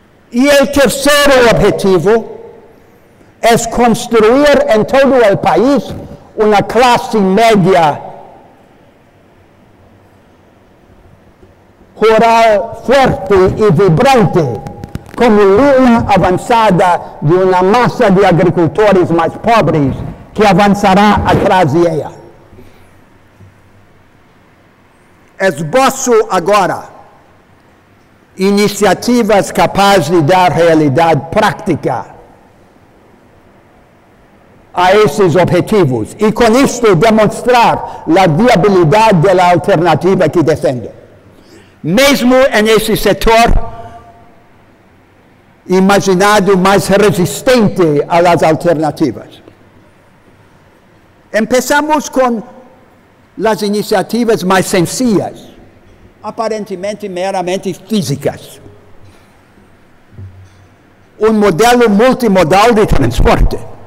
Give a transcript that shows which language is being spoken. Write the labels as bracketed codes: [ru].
[es] Y el tercer objetivo es construir en todo el país una clase media rural fuerte y vibrante como línea avanzada de una masa de agricultores más pobres que avanzará atrás de ella. [pt] Esboço agora iniciativas capazes de dar realidade prática a esses objetivos e, com isto, demonstrar a viabilidade da alternativa que defendo. Mesmo nesse setor imaginado mais resistente às alternativas. [es] Empezamos con las iniciativas más sencillas, aparentemente meramente físicas. Un modelo multimodal de transporte.